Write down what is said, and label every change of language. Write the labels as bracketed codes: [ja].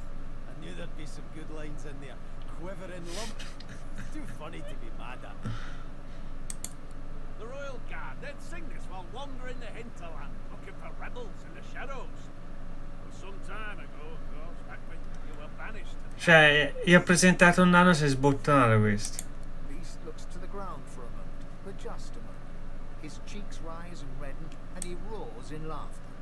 [en] I knew there'd be some good lines in there. Quivering lump. Too funny to be mad at. The royal guard, they'd sing this while wandering the hinterland, looking for rebels in the shadows. Some time ago, of course, back when you were banished. [it] Cioè, io ho presentato un nano, si è sbottonato questo. [en] Beast looks to the ground for a moment, but just a moment. His cheeks rise and redden, and he roars in laughter.